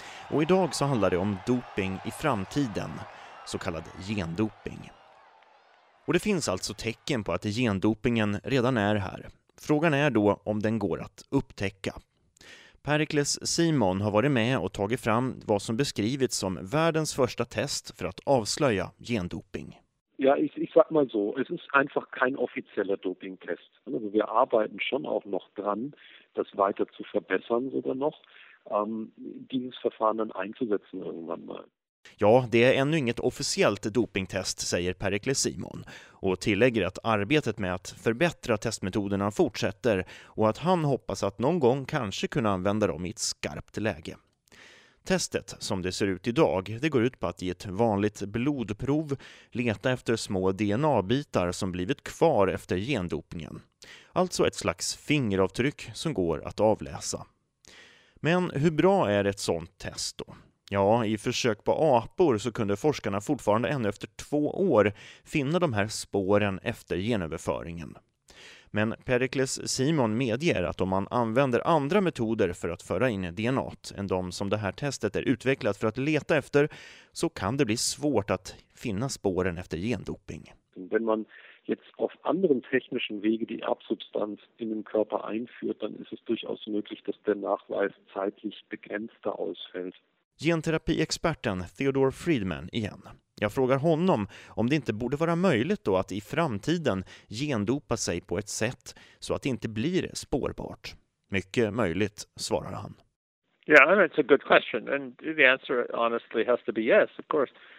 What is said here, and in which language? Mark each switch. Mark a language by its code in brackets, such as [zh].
[sv] Och idag så handlar det om doping i framtiden, så kallad gendoping. Och det finns alltså tecken på att gendopingen redan är här. Frågan är då om den går att upptäcka. Pericles Simon har varit med och tagit fram vad som beskrivits som världens första test för att avslöja gendoping. [de] Ja, ich sag mal so, es ist einfach kein offizieller Dopingtest. Also wir arbeiten schon auch noch dran, das weiter zu verbessern sogar noch, dieses Verfahren dann einzusetzen irgendwann mal. [sv] Ja, det är ännu inget officiellt dopingtest, säger Pericles Simon, och tillägger att arbetet med att förbättra testmetoderna fortsätter och att han hoppas att någon gång kanske kunna använda dem i ett skarpt läge. Testet, som det ser ut idag, det går ut på att i ett vanligt blodprov leta efter små DNA-bitar som blivit kvar efter gendopingen. Alltså ett slags fingeravtryck som går att avläsa. Men hur bra är ett sånt test då? Ja, i försök på apor så kunde forskarna fortfarande ännu efter 2 år finna de här spåren efter genöverföringen. Men Pericles Simon medger att om man använder andra metoder för att föra in DNA än de som det här testet är utvecklat för att leta efter, så kan det bli svårt att finna spåren efter gendoping. [de] Wenn man jetzt auf anderen technischen Wege die Erbsubstanz in den Körper einführt, dann ist es durchaus möglich, dass der Nachweis zeitlich begrenzter ausfällt. [sv] Genterapiexperten Theodore Friedman igen. Jag frågar honom om det inte borde vara möjligt då att i framtiden gendopa sig på ett sätt så att det inte blir spårbart. Mycket möjligt, svarar han. [en] Yeah, I mean, it's a good question and the answer honestly has to be yes, of course.